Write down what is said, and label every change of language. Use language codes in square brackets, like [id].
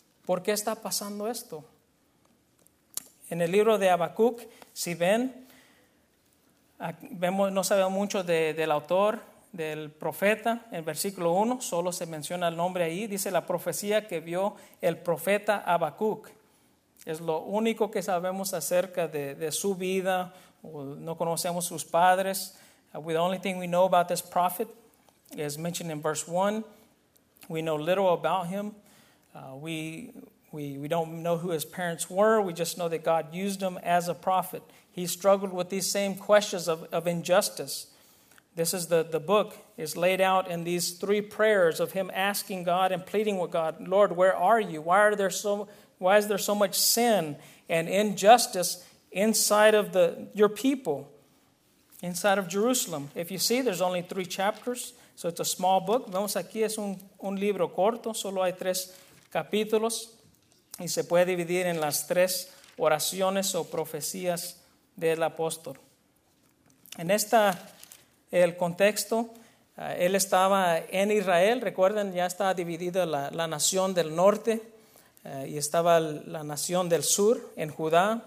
[es] ¿Por qué está pasando esto? En el libro de Habacuc, si ven, vemos, no sabemos mucho del autor, del profeta, en versículo 1, solo se menciona el nombre ahí, dice la profecía que vio el profeta Habacuc. Es lo único que sabemos acerca de su vida, o no conocemos sus padres. [en] The only thing we know about this prophet is mentioned in verse 1. We know little about him. We don't know who his parents were. We just know that God used him as a prophet. He struggled with these same questions of injustice. This is the book is laid out in these three prayers of him asking God and pleading with God, Lord, where are you? Why is there so much sin and injustice inside of your people, inside of Jerusalem? If you see, there's only three chapters, so it's a small book. [es] Vemos aquí es un libro corto, solo hay tres capítulos, y se puede dividir en las tres oraciones o profecías del apóstol. En esta, el contexto, él estaba en Israel, recuerden, ya estaba dividida la nación del norte, y estaba la nación del sur, en Judá.